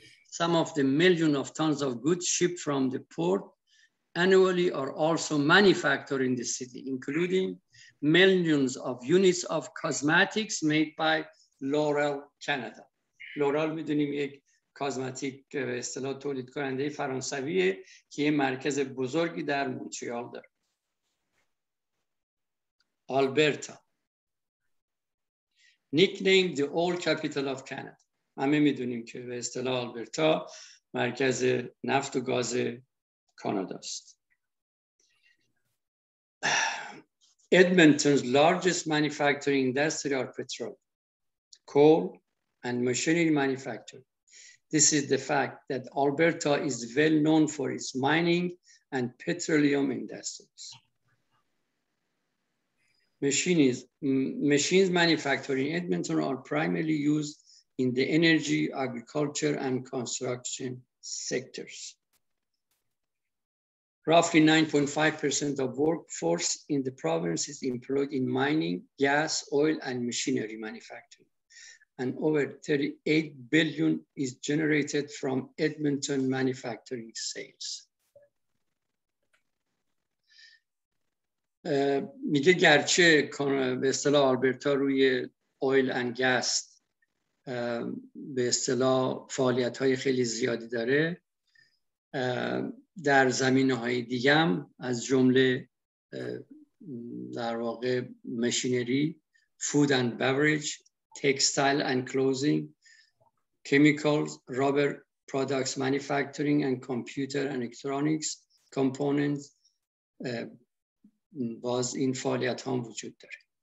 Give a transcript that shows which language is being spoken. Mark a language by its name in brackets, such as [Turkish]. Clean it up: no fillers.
[English] Some of the millions of tons of goods shipped from the port annually are also manufactured in the city, including millions of units of cosmetics made by L'Oréal Canada. L'Oréal, we don't even [Persian] کازماتیک به اصطلاح تولید کننده فرانسویه که یه مرکز بزرگی در مونتریال داره. [English] Alberta nicknamed the old capital of Canada. [Persian] همه میدونیم که به اصطلاح آلبرتا مرکز نفت و گاز کاناداست. [English] Edmonton's largest manufacturing industry are petrol, coal and machinery manufacturing. This is the fact that Alberta is well known for its mining and petroleum industries. Machines manufactured in Edmonton are primarily used in the energy, agriculture, and construction sectors. Roughly 9.5% of workforce in the province is employed in mining, gas, oil, and machinery manufacturing. And over 38 billion is generated from Edmonton manufacturing sales. [Persian] میگه گرچه به اصطلاح آلبرتا روی [English] oil and گاز [Persian] به اصطلاح فعالیت های خیلی زیادی داره، در زمینه های دیگه هم از جمله در واقع ماشینری، فود اند بیوریج، [English] textile and clothing, chemicals, rubber products manufacturing, and computer and electronics components [Persian] باز این فعالیت هم وجود داره.